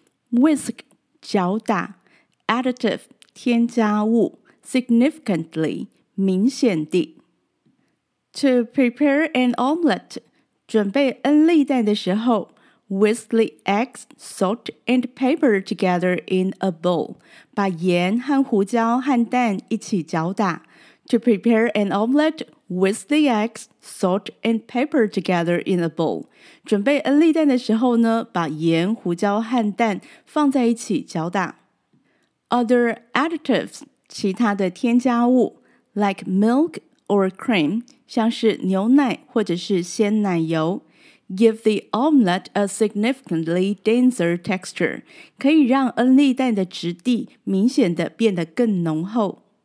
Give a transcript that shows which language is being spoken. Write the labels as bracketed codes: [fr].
[en] Whisk, [zh] 搅打, [en] additive, [zh] 添加物, [en] significantly, [zh] 明显地. [en] To prepare an omelette, [zh] 准备恩利蛋的时候, [en] Whisk the eggs, salt, and paper together in a bowl. [zh] 把盐和胡椒和蛋一起搅打。 [en] To prepare an omelette, whisk the eggs, salt, and paper together in a bowl. [zh] 准备恩利蛋的时候呢，把盐、胡椒和蛋放在一起搅打。 [en] Other additives, [zh] 其他的添加物 [en] ,like milk or cream, [zh] 像是牛奶或者是鲜奶油。 [en] Give the omelette a significantly denser texture, [zh] 可以让恩利蛋的质地明显的变得更浓厚。